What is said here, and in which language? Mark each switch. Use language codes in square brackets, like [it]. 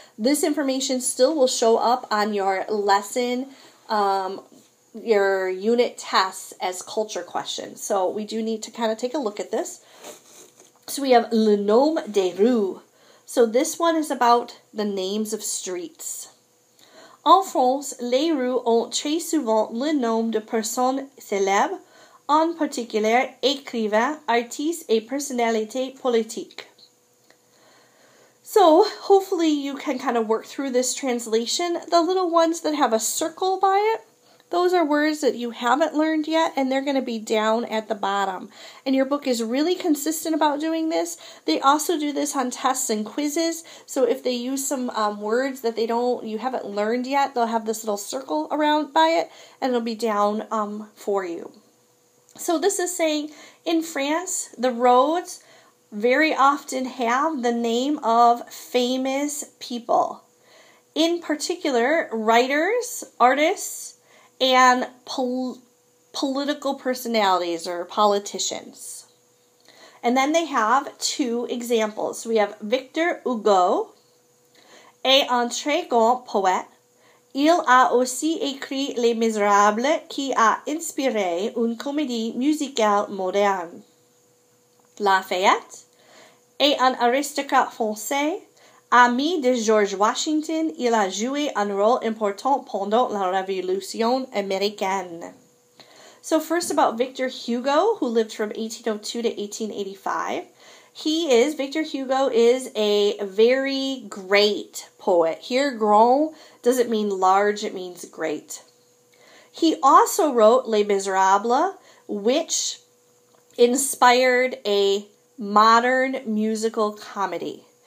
[en] This information still will show up on your lesson, your unit tests as culture questions. So we do need to kind of take a look at this. So we have le nom des rues. So this one is about the names of streets. [fr] En France, les rues ont très souvent le nom de personnes célèbres, en particulier écrivains, artistes et personnalités politiques. [en] So hopefully you can kind of work through this translation. The little ones that have a circle by it, those are words that you haven't learned yet, and they're going to be down at the bottom. And your book is really consistent about doing this. They also do this on tests and quizzes. So if they use some words that you haven't learned yet, they'll have this little circle around by it, and it'll be down for you. So this is saying, in France, the roads very often have the name of famous people. In particular, writers, artists, and political personalities or politicians. And then they have two examples. We have [fr] Victor Hugo est un très grand poète. Il a aussi écrit Les Misérables qui a inspiré une comédie musicale moderne. Lafayette est un aristocrate français. Ami de George Washington, il a joué un rôle important pendant la Révolution américaine. [en] So first about Victor Hugo, who lived from 1802 to 1885. Victor Hugo is a very great poet. Here, grand doesn't mean large, it means great. He also wrote Les Misérables, which inspired a modern musical comedy.